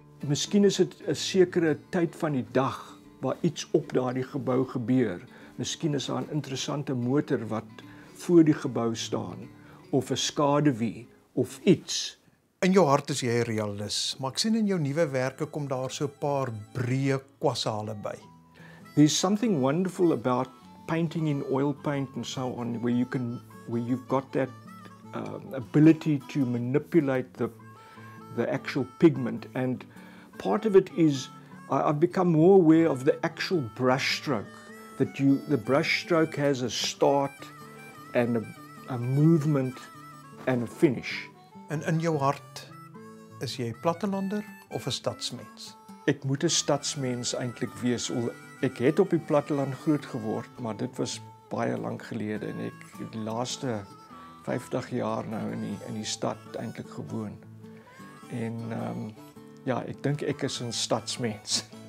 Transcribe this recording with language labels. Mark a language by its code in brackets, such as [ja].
[af] Miskien is dit 'n sekere tyd van die dag waar iets op daardie gebou gebeur. Miskien is daar 'n interessante motor wat voor die gebou staan of 'n skaduwee of iets. In jou hart is jy 'n realis, maar ek sien in jou nuwe werke kom daar so 'n paar breë kwassale by. [en] There's something wonderful about painting in oil paint and so on, where you've got that ability to manipulate the actual pigment. And part of it is I've become more aware of the actual brush stroke, that the brush stroke has a start and a movement and a finish. [af] En in jou hart, is jy plattelander of 'n stadsmens? Ek moet 'n stadsmens eintlik wees. Ek het op die platteland groot geword, maar dit was baie lank gelede en ek het die laaste 50 jaar nou in die stad eintlik gewoon. En ja, ek dink ek is 'n stadsmens.